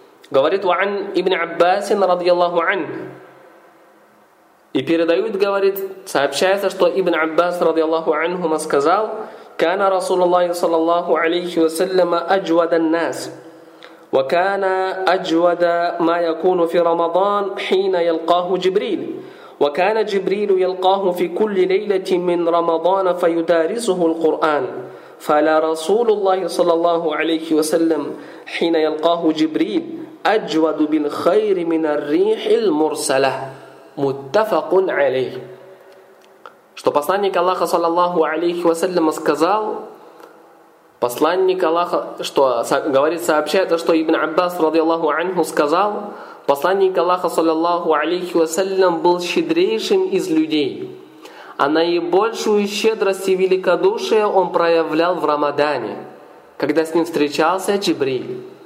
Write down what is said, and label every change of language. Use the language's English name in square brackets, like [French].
[Russian] Говорит Уан ибн Аббасин, радиаллаху ан, и передают, говорит, сообщается, что ибн Аббас, радиаллаху анхума, сказал: [Arabic] «Кана Расулуллахи, саллаллаху алейхи вассаляма, аджвадан нас». وكان أجود ما يكون في رمضان حين يلقاه جبريل وكان جبريل يلقاه في كل ليلة من رمضان فيدارسه القرآن فلا رسول الله صلى الله عليه وسلم حين يلقاه جبريل أجود بالخير من الريح المرسلة متفق عليه. [Russian] Что посланник Аллаха [Arabic] صلى الله عليه وسلم [Russian] сказал? Посланник Аллаха, что говорит, сообщает, что ибн Аббас, радиаллаху анху, сказал: посланник Аллаха, саллаллаху алейхи вассалям, был щедрейшим из людей, а наибольшую щедрость и великодушие он проявлял в Рамадане, когда с ним встречался Джибриль.